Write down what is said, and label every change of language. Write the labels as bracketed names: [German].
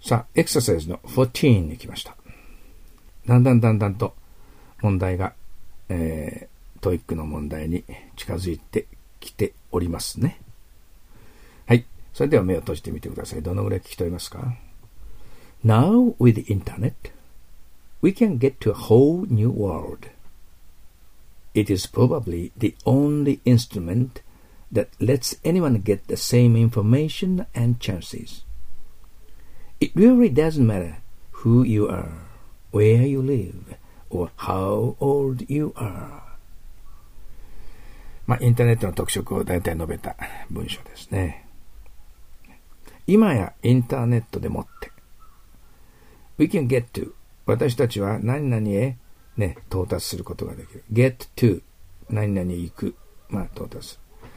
[Japanese] さあ、エクササイズの14に来ました。だんだんだんだんと問題が、トイックの問題に近づいてきておりますね。はい、それでは目を閉じてみてください。どのぐらい聞き取りますか？ [English] Now with the internet, we can get to a whole new world. It is probably the only instrument that lets anyone get the same information and chances. It really doesn't matter who you are, where you live, or how old you are. [Japanese] まあ、インターネットの特色を大体述べた文章ですね。今やインターネットでもって [English] We can get to [Japanese] 私たちは何々へ、ね、到達することができる Get to 何々へ行く、まあ、到達する。